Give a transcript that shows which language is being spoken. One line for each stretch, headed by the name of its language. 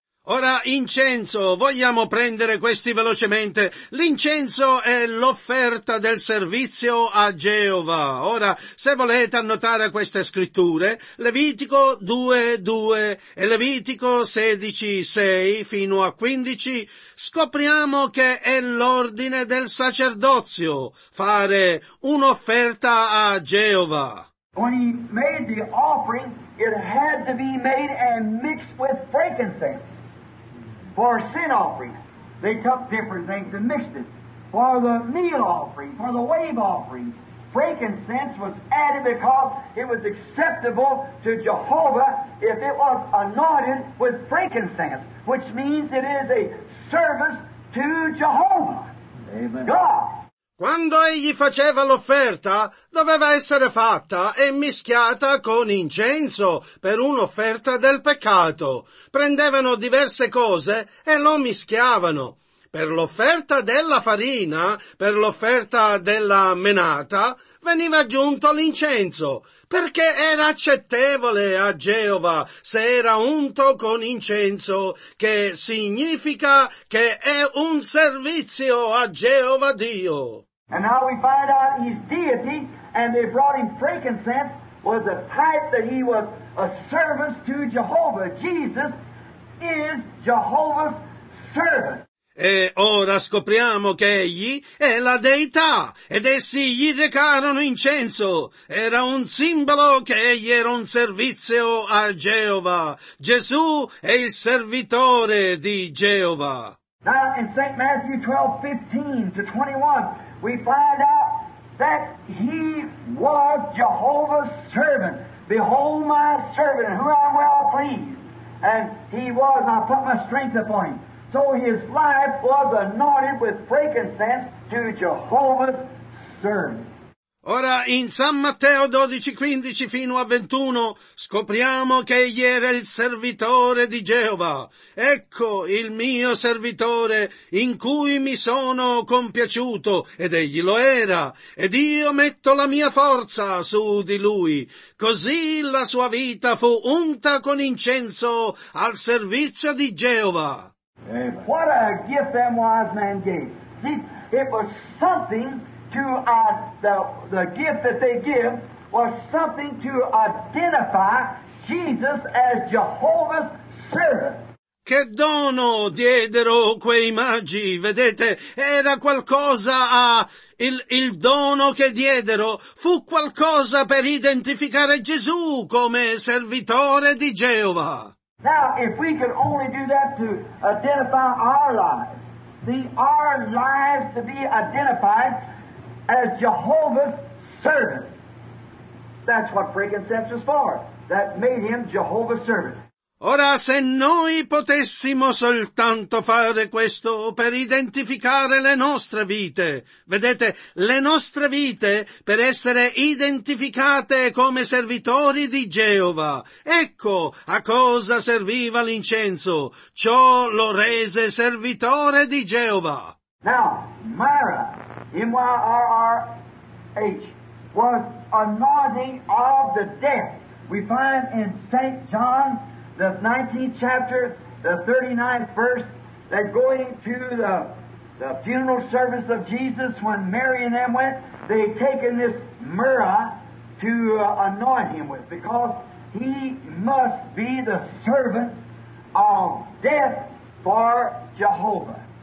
Italian: Ora, incenso, vogliamo prendere questi velocemente. L'incenso è l'offerta del servizio a Geova. Ora, se volete annotare queste scritture, Levitico 2:2 e Levitico 16:6 fino a 15, scopriamo che è l'ordine del sacerdozio fare un'offerta a Geova.
English: When he made the offering, it had to be made and mixed with frankincense. For sin offering, they took different things and mixed it. For the meal offering, for the wave offering, frankincense was added because it was acceptable to Jehovah if it was anointed with frankincense, which means it is a service to Jehovah, amen. God.
Italian: Quando egli faceva l'offerta, doveva essere fatta e mischiata con incenso per un'offerta del peccato. Prendevano diverse cose e lo mischiavano. Per l'offerta della farina, per l'offerta della menata, veniva aggiunto l'incenso, perché era accettevole a Geova se era unto con incenso, che significa che è un servizio a Geova Dio.
English: And now we find out he's deity, and they brought him frankincense, was a type that he was a service to Jehovah. Jesus is Jehovah's servant.
Italian: E ora scopriamo che egli è la deità, ed essi gli recarono incenso. Era un simbolo che egli era un servizio a Geova. Gesù è il servitore di Geova.
English: Now in St. Matthew 12:15 to 21, we find out that he was Jehovah's servant. Behold my servant, whom I am well pleased. And he was, and I put my strength upon him. So his life was anointed with frankincense to Jehovah's servant.
Italian: Ora, in San Matteo 12:15 fino a 21, scopriamo che egli era il servitore di Geova. Ecco il mio servitore in cui mi sono compiaciuto, ed egli lo era, ed io metto la mia forza su di lui. Così la sua vita fu unta con incenso al servizio di Geova.
English: What a gift that wise man gave. It was something to the gift that they give was something to identify Jesus as Jehovah's servant.
Italian: Che dono diedero quei magi, vedete, era qualcosa a il dono che diedero fu qualcosa per identificare Gesù come servitore di Geova.
English: Now if we could only do that to identify our lives, see our lives to be identified as Jehovah's servant. That's what frankincense was for. That made him Jehovah's servant.
Italian: Ora, se noi potessimo soltanto fare questo per identificare le nostre vite, vedete, le nostre vite per essere identificate come servitori di Geova. Ecco a cosa serviva l'incenso. Ciò lo rese servitore di Geova.
English: Now, Myrrh, M-Y-R-R-H, was anointing of the death. We find in St. John, the 19th chapter, the 39th verse, that going to the funeral service of Jesus when Mary and them went, they had taken this myrrh to anoint him with, because he must be the servant of death for Jehovah.